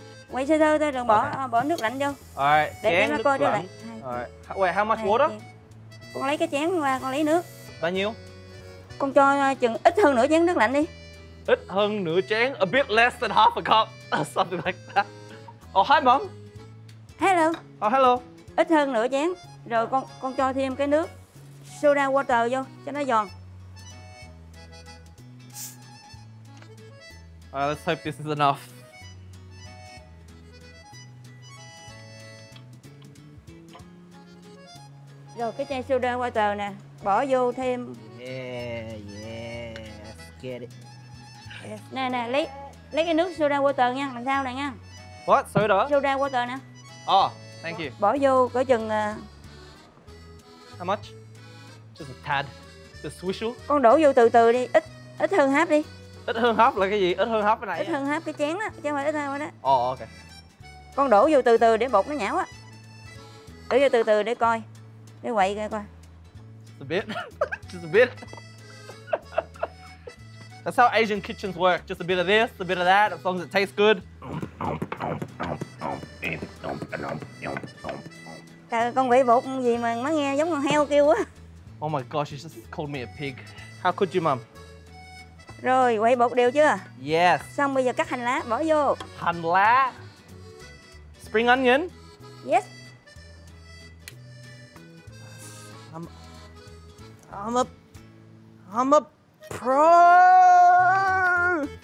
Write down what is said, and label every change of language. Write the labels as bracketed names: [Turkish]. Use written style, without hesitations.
[Vietnamese] Quay sơ sơ thôi, đừng bỏ bỏ nước lạnh vô. [English] Alright. [Vietnamese] Để chén nó coi cho lại. [English] Alright. Wait, how much water? [Vietnamese] Con lấy cái chén qua, con lấy nước. Bao nhiêu? Con cho chừng ít hơn nửa chén nước lạnh đi. Ít hơn nửa chén, [English] a bit less than half a cup, something like that. Oh, hi mom. Hello. Oh, hello. [Vietnamese] Ít hơn nửa chén, rồi con cho thêm cái nước soda water vô cho nó giòn. [English] Alright, let's hope this is enough. [Vietnamese] Rồi cái chai soda water nè, bỏ vô thêm. [English] Yeah, get it. Yes. [Vietnamese] Nè nè, lấy cái nước soda water nha, làm sao này nha. [English] What? Soda? Soda water nè. Oh, thank you. [Vietnamese] Bỏ vô cỡ chừng [English] how much? Just a tad. The swishu. [Vietnamese] Con đổ vô từ từ đi, ít hơn half đi. Ít hơn half là cái gì? Ít hơn half cái này. Ít hơn half cái chén á, chứ không phải ít hơn đó. [English] Oh, okay. [Vietnamese] Con đổ vô từ từ để bột nó nhão á. Đổ vô từ từ để coi. Để quậy coi. [English] Just a bit. Just a bit. That's how Asian kitchens work. Just a bit of this, a bit of that, as long as it tastes good. [Vietnamese] Trời ơi, con quậy bột gì mà nó nghe giống con heo kêu á. [English] Oh my gosh, you just called me a pig. How could you, mum? [Vietnamese] Rồi, quậy bột đều chưa? [English] Yes. [Vietnamese] Xong bây giờ cắt hành lá, bỏ vô. Hành lá. [English] Spring onion. Yes. I'm a pro.